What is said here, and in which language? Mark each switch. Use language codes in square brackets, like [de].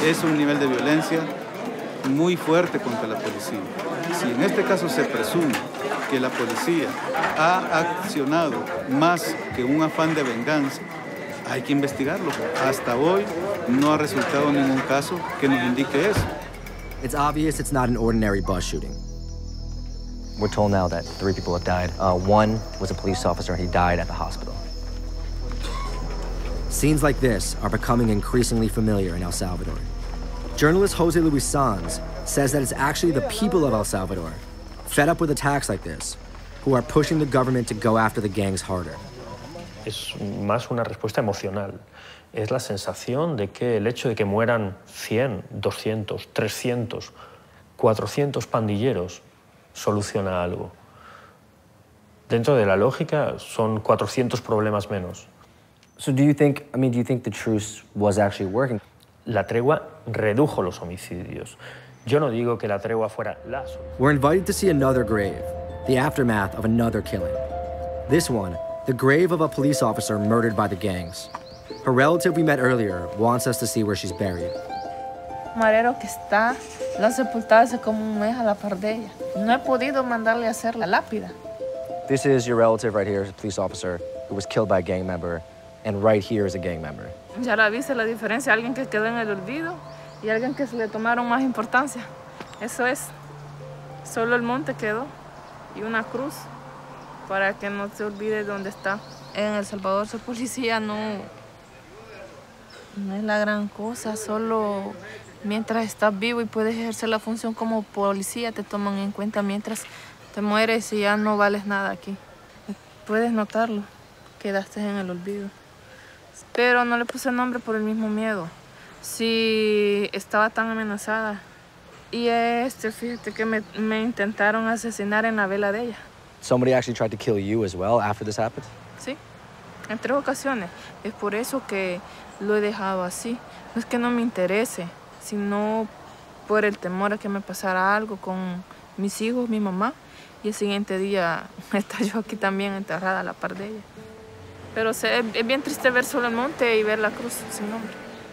[es] Es un nivel de violencia muy fuerte contra la policía. Si en este caso se presume que la policía ha accionado más que un afán de venganza, hay que investigarlo. Hasta hoy no ha resultado ningún caso que nos indique eso. [en] It's obvious it's not an ordinary bus shooting. We're told now that three people have died. One was a police officer, and he died at the hospital. Scenes like this are becoming increasingly familiar in El Salvador. Journalist Jose Luis Sanz says that it's actually the people of El Salvador, fed up with attacks like this, who are pushing the government to go after the gangs harder. [es] Es más una respuesta emocional. Es la sensación de que el hecho de que mueran 100, 200, 300, 400 pandilleros soluciona algo. Dentro de la lógica, son 400 problemas menos. [en] So do you think the truce was actually working? [es] La tregua redujo los homicidios. Yo no digo que la tregua fuera la solución. [en] We're invited to see another grave, the aftermath of another killing. This one, the grave of a police officer murdered by the gangs. Her relative we met earlier wants us to see where she's buried. [es] Marero que está, la sepultada hace como un mes a la par de ella. No he podido mandarle a hacer la lápida. [en] This is your relative right here, a police officer who was killed by a gang member and right here as a gang member. [es] Ya la viste la diferencia, alguien que quedó en el olvido y alguien que se le tomaron más importancia. Eso es. Solo el monte quedó y una cruz para que no se olvide dónde está. En El Salvador ser policía no es la gran cosa, solo mientras estás vivo y puedes ejercer la función como policía te toman en cuenta, mientras te mueres y ya no vales nada aquí. Puedes notarlo, quedaste en el olvido. Pero no le puse nombre por el mismo miedo. Si estaba tan amenazada. Y fíjate que me intentaron asesinar en la vela de ella. [en] Somebody actually tried to kill you as well after this happened? [es] Sí, en tres ocasiones. Es por eso que lo he dejado así. No es que no me interese, sino por el temor a que me pasara algo con mis hijos, mi mamá. Y el siguiente día está yo aquí también enterrada a la par de ella. Pero es bien triste ver solo el monte y ver la cruz sin nombre.